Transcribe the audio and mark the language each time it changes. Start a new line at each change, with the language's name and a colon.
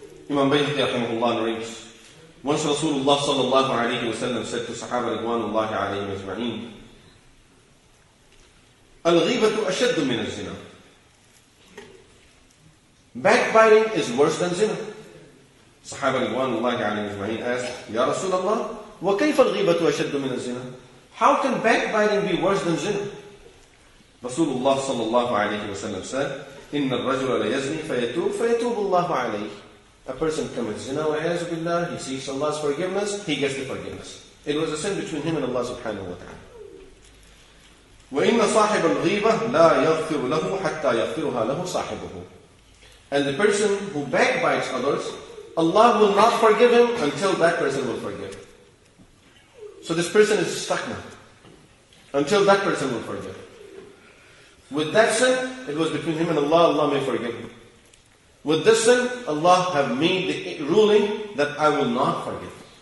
English: Imam Bayhaqi rahimahullah narrates, once Rasulullah sallallahu alayhi wa sallam said to Sahaba ridwanullahi alayhi wa sallam,
Arabic: Al-ghibatu ashaddu min al-zina.
English: Backbiting is worse than zina. Sahaba ridwanullahi alayhi wa sallam asked, Ya Rasulullah,
Arabic: وكيف الغيبة أشد من الزنا؟
English: How can backbiting be worse than zina?
Arabic: رسول الله صلى الله عليه وسلم said, إن الرجل ليزني فيتوب فيتوب الله عليه.
English: A person commits zina,
Arabic: وعياذ بالله,
English: he seeks Allah's forgiveness, he gets the forgiveness. It was a sin between him and Allah سبحانه وتعالى.
Arabic: وإن صاحب الغيبة لا يغفر له حتى يغفرها له صاحبه.
English: And the person who backbites others, Allah will not forgive him until that person will forgive. So this person is stuck now. Until that person will forgive. With that sin, it was between him and Allah. Allah may forgive him. With this sin, Allah have made the ruling that I will not forgive.